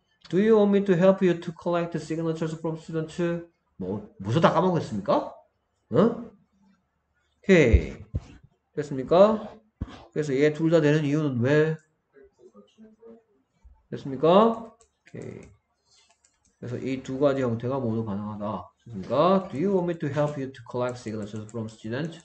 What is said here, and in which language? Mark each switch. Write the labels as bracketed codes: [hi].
[en] Do you want me to help you to collect signatures from students? [ko] 뭐, 무슨 다 까먹겠습니까? 응? 오케이. 됐습니까? 그래서 얘둘다 되는 이유는 왜? 됐습니까? 오케이. 그래서 이두 가지 형태가 모두 가능하다. 됐습니까? [en] Do you want me to help you to collect signatures from students?